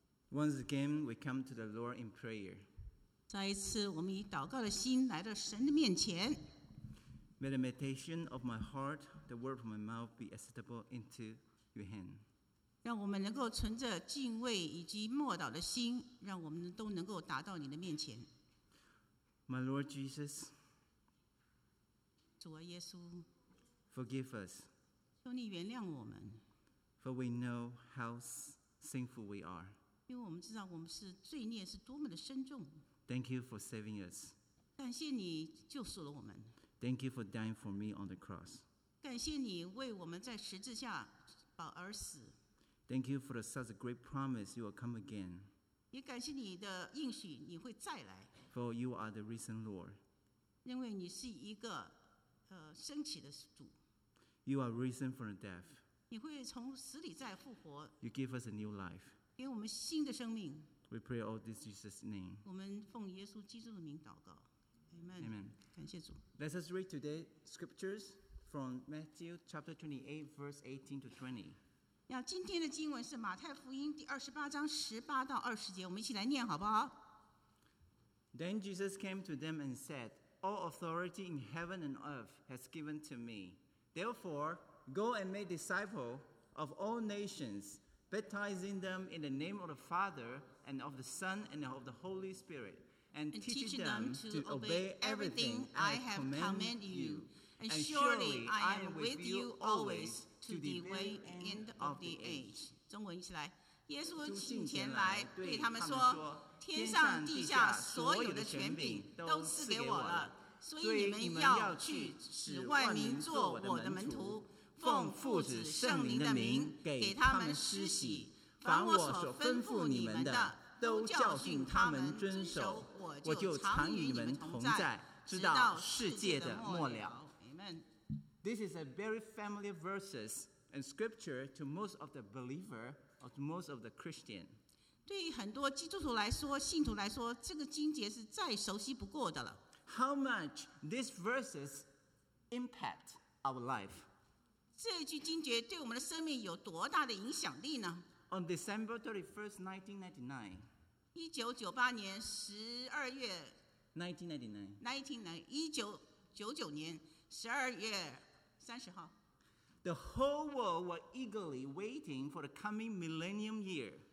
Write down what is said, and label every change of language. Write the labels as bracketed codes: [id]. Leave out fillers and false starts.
[en] Once again, we come to the Lord in prayer. [zh] 再一次，我们以祷告的心来到神的面前。 [en] May the meditation of my heart, the word of my mouth, be acceptable into your hand. [zh] 让我们能够存着敬畏以及默祷的心，让我们都能够达到你的面前。 [en] My Lord Jesus, [zh] 主啊耶稣 [en] ，forgive us. [zh] 求你原谅我们 [en] ，for we know how sinful we are. [zh] 因为我们知道我们是罪孽是多么的深重。 [en] Thank you for saving us. [zh] 感谢你救赎了我们。 [en] Thank you for dying for me on the cross. [zh] 感谢你为我们在十字架而死。 [en] Thank you for such a great promise you will come again. [zh] 也感谢你的应许你会再来。 [en] For you are the risen Lord. [zh] 因为你是一个升起的主。 [en] You are risen from the death. [zh] 你会从死里再复活。 [en] You give us a new life. [zh] 给我们新的生命。 [en] We pray all this in Jesus' name. [zh] 我们奉耶稣基督的名祷告。 [en] Amen. Amen. [zh] 感谢主。 [en] Let us read today scriptures from Matthew chapter 28, verse 18 to 20. [zh] 要今天的经文是马太福音第28章18到20节，我们一起来念好不好？ [en] Then Jesus came to them and said, All authority in heaven and earth has given to me. Therefore, go and make disciples of all nations, baptizing them in the name of the Father and of the Son and of the Holy Spirit. And teaching them to obey everything I have commanded you. And surely I am with you always to the very end of the age. [zh] 中文一起来，耶稣请前来对他们说，天上地下所有的权柄都赐给我了，所以你们要去使万民做我的门徒，奉父子圣灵的名给他们施洗，凡我所吩咐你们的都教训他们遵守，我就常与你们同在，直到世界的末了。 [en] Amen. This is a very familiar verses and scripture to most of the believer or to most of the Christian. [zh] 对于很多基督徒来说，信徒来说，这个经节是再熟悉不过的了。 [en] How much these verses impact our life? [zh] 这句经节对我们的生命有多大的影响力呢？ [en] On December 31st, 1999. [zh] 1998年12月 1999年12月30号 [en] The whole world was eagerly waiting for the coming millennium year.